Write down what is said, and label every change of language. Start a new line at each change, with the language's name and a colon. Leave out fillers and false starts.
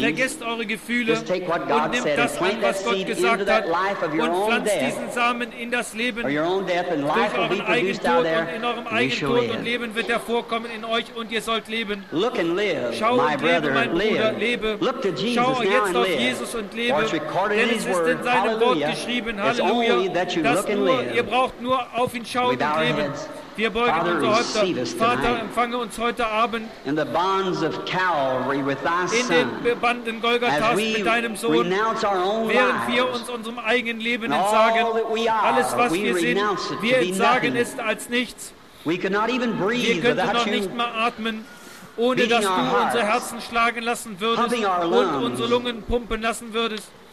German: Vergesst eure Gefühle und nehmt das an, was Gott gesagt hat, und pflanzt diesen Samen in das Leben durch euren eigenen Tod, und in eurem eigenen Tod und Leben wird hervorkommen in euch, und ihr sollt leben.
English: Look and live,
German: schau und lebe, mein Bruder, lebe. Schau jetzt auf Jesus und lebe, denn es ist in seinem Wort geschrieben, Halleluja, dass nur, ihr braucht nur auf ihn schauen und leben. Wir beugen unsere Häupter. Vater, empfange uns heute Abend
English: in the bonds of Calvary with thy son,
German: in den Banden Golgathas mit deinem Sohn, während wir uns unserem eigenen Leben entsagen. Alles, was wir sind, wir entsagen es als nichts. Wir könnten noch nicht mal atmen, ohne dass du unsere Herzen schlagen lassen würdest und unsere Lungen pumpen lassen würdest.